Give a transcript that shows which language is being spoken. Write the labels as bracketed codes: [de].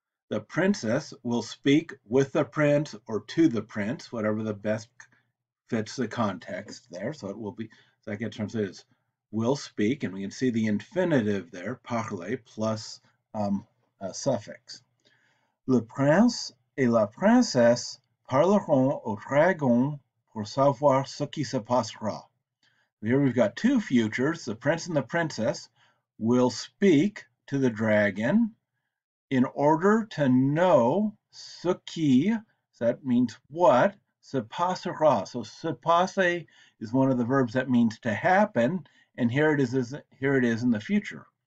[en] The princess will speak with the prince or to the prince, whatever the best fits the context there. So it will be, that gets translated as will speak, and we can see the infinitive there, parler, plus a suffix. [fr] Le prince et la princesse parleront au dragon pour savoir ce qui se passera. [en] Here we've got two futures, the prince and the princess, will speak to the dragon in order to know [fr] ce qui, [en] that means what, [fr] se passera. [en] So se passe is one of the verbs that means to happen, and here it is in the future.